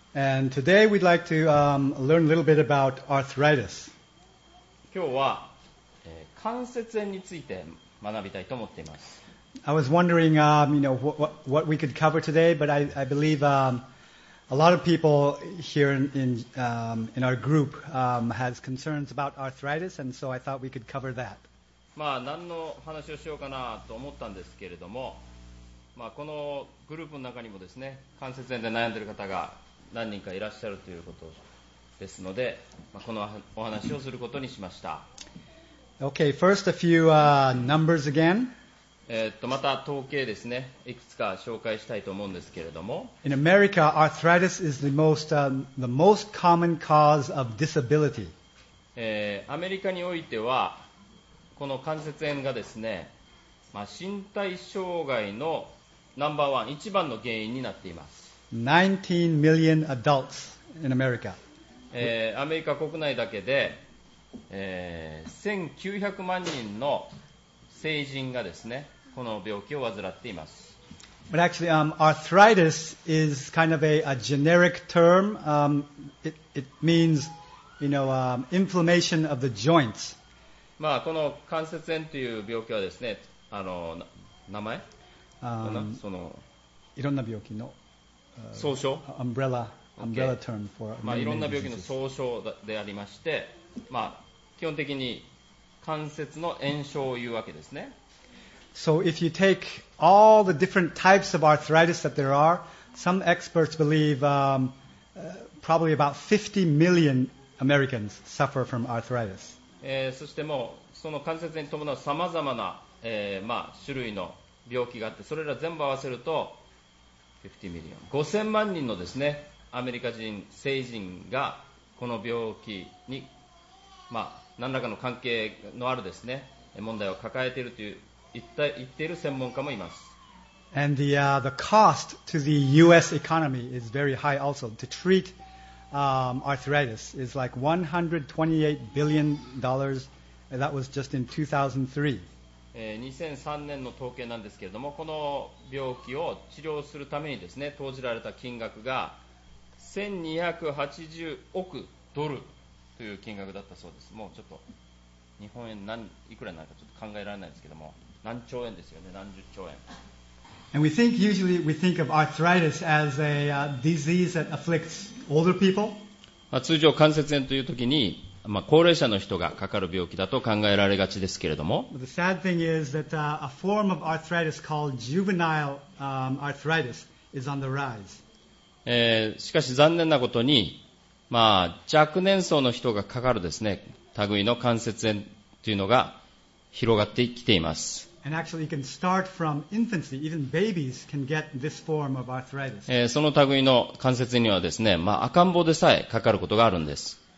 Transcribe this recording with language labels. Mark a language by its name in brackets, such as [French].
[English] And today we'd like to learn a little bit about arthritis. [Japanese] 今日は、関節炎について学びたいと思っています。 [English] I was wondering, what we could cover today, but I believe a lot of people here in our group has concerns about arthritis, and so I thought we could cover that. [Japanese] まあ何の話をしようかなと思ったんですけれども、まあこのグループの中にもですね、関節炎で悩んでいる方が何人かいらっしゃるということですので、まあ、このお話をすることにしました。 [English] Okay, first a few numbers again. [Japanese] また統計ですね、いくつか紹介したいと思うんですけれども。 [English] In America, arthritis is the most common cause of disability. [Japanese] アメリカにおいては、この関節炎がですね、まあ、身体障害のナンバーワン、一番の原因になっています。 [English] 19 million adults in America. [Japanese] アメリカ国内だけで、1900万人の成人がですね、この病気を患っています。 [English] But actually, arthritis is kind of a generic term. It means, inflammation of the joints. [Japanese] まあこの関節炎という病気はですね、あの名前、そのいろんな病気の総称、 [English] umbrella term for many diseases. [Japanese] まあいろんな病気の総称でありまして、まあ基本的に関節の炎症を言うわけですね。 [English] So if you take all the different types of arthritis that there are, some experts believe probably about 50 million Americans suffer from arthritis. [Japanese] そしてもうその関節に伴うさまざまな、まあ、種類の病気があって、それら全部合わせると50 million、5000万人のですね、アメリカ人成人がこの病気に、まあ、何らかの関係のあるですね、問題を抱えているという言っている専門家もいます。 [English] And the cost to the U.S. economy is very high also. To treat arthritis is like $128 billion. That was just in 2003. [Japanese] 2003年の統計なんですけれども、この病気を治療するためにですね、投じられた金額が1280億ドルという金額だったそうです。もうちょっと日本円いくらになるかちょっと考えられないですけども。何兆円ですよね、何十兆円。 [English] And we think usually we think of arthritis as a disease that afflicts older people. [Japanese] 通常関節炎というときに、まあ、高齢者の人がかかる病気だと考えられがちですけれども。 [English] But the sad thing is that a form of arthritis called juvenile arthritis is on the rise. [Japanese] しかし残念なことに、まあ、若年層の人がかかるですね、類の関節炎というのが広がってきています。 [English] And actually, you can start from infancy. Even babies can get this form of arthritis. [Japanese] その類の関節にはですね、まあ、赤ん坊でさえかかることがあるんです。